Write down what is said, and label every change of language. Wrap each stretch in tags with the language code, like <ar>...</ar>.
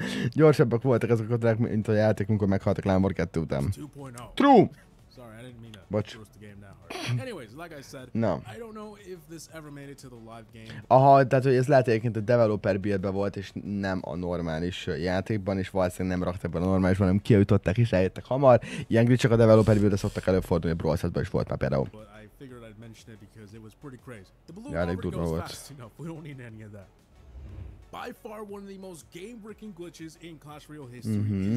<hu>Gyorsabbak voltak ezek a drag, mint a játék, amikor meghalt a Climber 2 után.</hu> <en>True! Sorry, I didn't mean to watch the game now. Anyways, like I said, no. I don't know if this ever made it to the live game.</en> <hu>Aha, tehát hogy ez lehet egyébként a developer build-ben volt, és nem a normális játékban, és valószínűleg nem raktak be a normálisban, hanem kiütöttek és eljöttek hamar. Ilyen glitch-ek a developer build-ben szoktak előfordulni, a Brawl Set-ben is volt már például.</hu> <en>But I figured I'd mention it because it was pretty crazy. The blue armor goes fast enough, we don't need any of that. By far one of the most game-breaking glitches in Clash Royale history.</en>